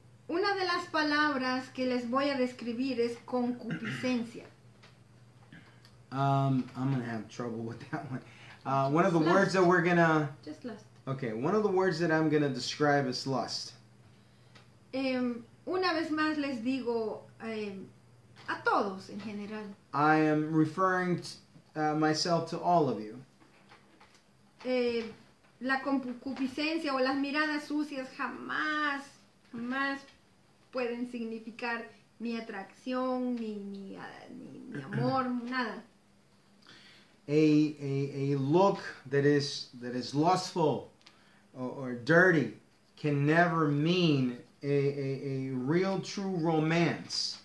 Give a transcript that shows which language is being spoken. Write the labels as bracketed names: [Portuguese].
[Spanish] Una de las palabras que les voy a describir es concupiscencia. [English] I'm going to have trouble with that one. One of the lust. Words that we're going to... Just lust. Okay, one of the words that I'm going to describe is lust. [Spanish] Una vez más les digo a todos en general. [English] I am referring myself to all of you. [Spanish] La concupiscencia o las miradas sucias jamás pueden significar ni atracción, ni amor, nada. [English] A look that is lustful or dirty can never mean a real true romance.